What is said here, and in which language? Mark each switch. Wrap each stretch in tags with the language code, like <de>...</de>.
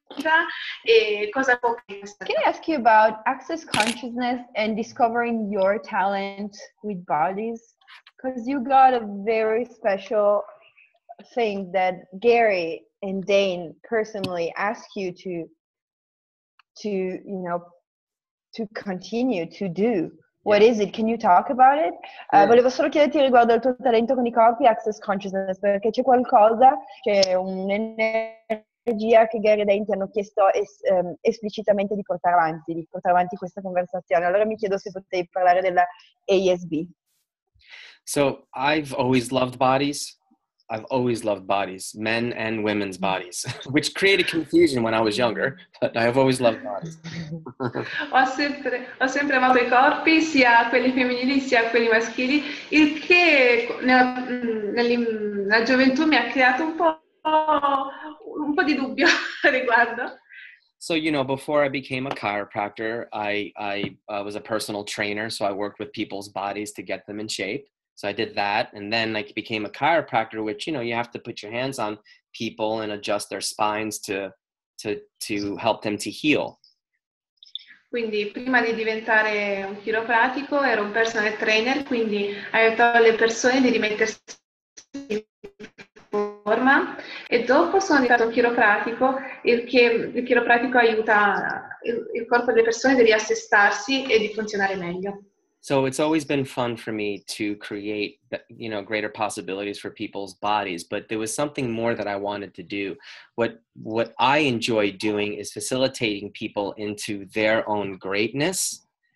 <en>Can I ask you about access consciousness and discovering your talent with bodies? Because you got a very special thing that Gary and Dane personally asked you to continue to do. What is it? Can you talk about it? Yeah.</en> <it>Volevo solo chiederti riguardo al tuo talento con I corpi, access consciousness, perché c'è qualcosa che che Gary e Dainty hanno chiesto esplicitamente di portare avanti questa conversazione. Allora mi chiedo se potevi parlare della ASB.</it> <en>So, I've always loved bodies. I've always loved bodies, men and women's bodies, which created confusion when I was younger, but I've always loved bodies.</en> <it>ho sempre amato I corpi, sia quelli femminili sia quelli maschili, il che nella gioventù mi ha creato un po' di dubbio riguardo.</it> <en>So, you know, before I became a chiropractor, I was a personal trainer, so I worked with people's bodies to get them in shape. So I did that, and then I became a chiropractor, which, you know, you have to put your hands on people and adjust their spines to help them to heal.</en> <it>Quindi prima di diventare un chiropratico ero un personal trainer, quindi aiutavo le persone di rimettersi forma e dopo sono diventato chiropratico, il chiropratico aiuta il corpo delle persone a riassestarsi e di funzionare meglio.</it> <en>So it's always been fun for me to create, you know, greater possibilities for people's bodies, but there was something more that I wanted to do. What I enjoy doing is facilitating people into their own greatness.</en>